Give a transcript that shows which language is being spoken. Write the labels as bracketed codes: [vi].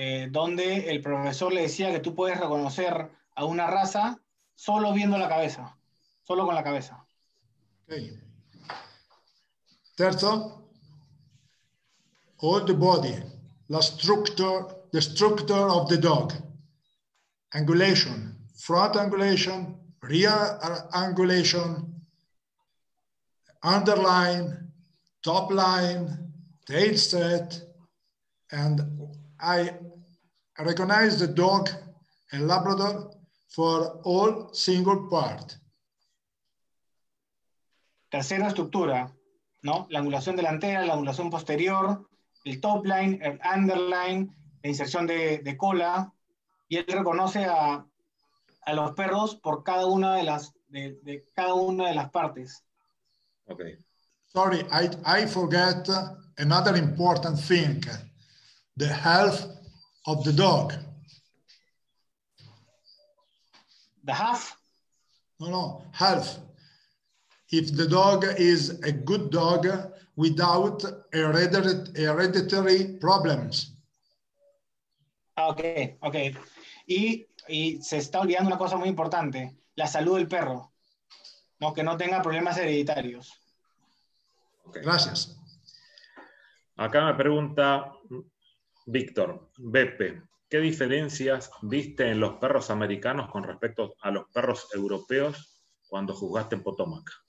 [es] Donde el profesor le decía que tú puedes reconocer a una raza solo viendo la cabeza, solo con la cabeza. Okay. [it] Terzo, [en] all the body, the structure of the dog, angulation, front angulation, rear angulation, underline, top line, tail set, and I recognize the dog, a Labrador, for all single part. [es] Tercera estructura, ¿no? La angulación delantera, la angulación posterior, el top line, el underline, la inserción de cola, y él reconoce a los perros por cada una de las de cada una de las partes. Okay. [en] Sorry, I forget another important thing. The health of the dog. The half? No, health. If the dog is a good dog without hereditary problems. Okay. [es] Y se está olvidando una cosa muy importante, la salud del perro. No, que no tenga problemas hereditarios. Okay. Gracias. Acá me pregunta Víctor, Bepe, ¿qué diferencias viste en los perros americanos con respecto a los perros europeos cuando jugaste en Potomac?